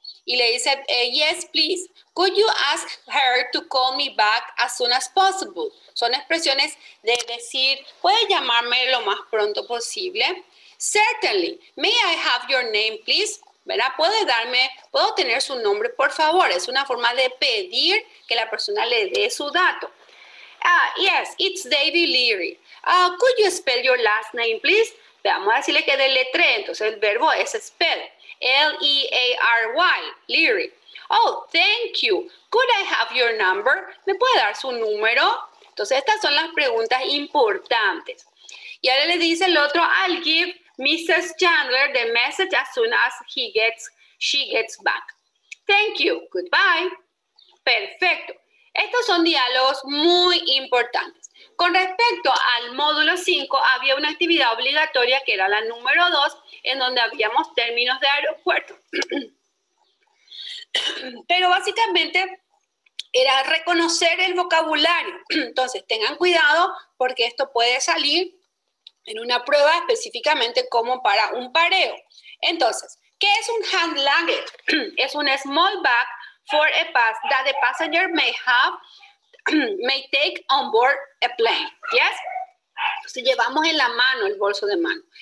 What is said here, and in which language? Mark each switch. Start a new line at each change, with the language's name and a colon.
Spanish: Y le dice,
English: yes, please, could you ask her to call me back as soon as possible?
Spanish: Son expresiones de decir, ¿puede llamarme lo más pronto posible?
English: Certainly, may I have your name, please?
Spanish: ¿Verdad? ¿Puedo tener su nombre, por favor? Es una forma de pedir que la persona le dé su dato.
English: Yes, it's David Leary. Could you spell your last name, please?
Spanish: Vamos a decirle que deletree. Entonces el verbo es spell. Leary. Leary.
English: Oh, thank you. Could I have your number?
Spanish: ¿Me puede dar su número? Entonces estas son las preguntas importantes. Y ahora le dice el otro,
English: I'll give Mrs. Chandler the message as soon as she gets back. Thank you. Goodbye.
Spanish: Perfecto. Estos son diálogos muy importantes. Con respecto al módulo 5, había una actividad obligatoria que era la número 2, en donde habíamos términos de aeropuerto. Pero básicamente era reconocer el vocabulario. Entonces, tengan cuidado porque esto puede salir en una prueba específicamente como para un pareo. Entonces, ¿qué es un hand luggage? Es un
English: small bag for a pass that the passenger may take on board a plane. Yes?
Spanish: Entonces llevamos en la mano el bolso de mano.